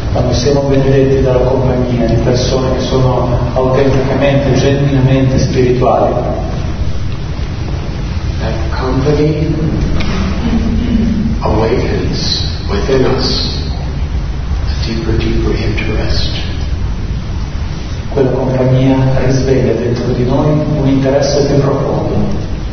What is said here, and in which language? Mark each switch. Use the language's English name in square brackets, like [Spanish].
[Italian] siamo benedetti dalla compagnia di persone che sono autenticamente, genuinamente spirituali. [English] That company awakens within us a deeper, deeper interest. [Italian] Quella compagnia risveglia dentro di noi un interesse più profondo.